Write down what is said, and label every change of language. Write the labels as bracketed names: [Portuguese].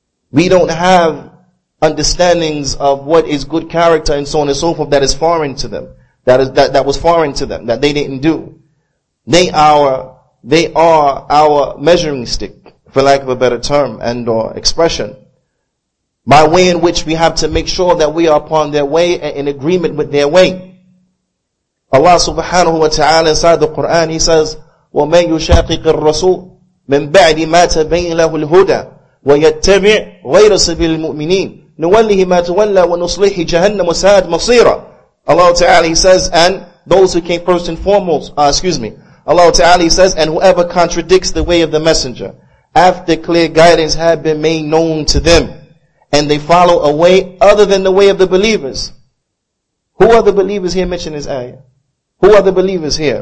[English] We don't have understandings of what is good character and so on and so forth that is foreign to them, that was foreign to them, that they didn't do. They are our measuring stick, for lack of a better term and or expression, by way in which we have to make sure that we are upon their way and in agreement with their way. [Arabic] Allah subhanahu wa ta'ala [English] inside the Quran, He says, [Arabic] وَمَنْ يُشَاقِقِ الرَّسُولِ مِنْ بَعْدِ مَا تَبَيْنَ لَهُ الْهُدَى وَيَتَّبِعْ غَيْرَ سَبِيلِ الْمُؤْمِنِينَ نُوَلِّهِ مَا تُوَلَّى وَنُصْلِحِ جَهَنَّمُ وَسَاءَتْ مَصِيرًا. [English] Allah ta'ala, He says, and those who came first and foremost, Allah ta'ala, He says, and whoever contradicts the way of the messenger, after clear guidance had been made known to them, and they follow a way other than the way of the believers. Who are the believers here mentioned in this ayah? Who are the believers here?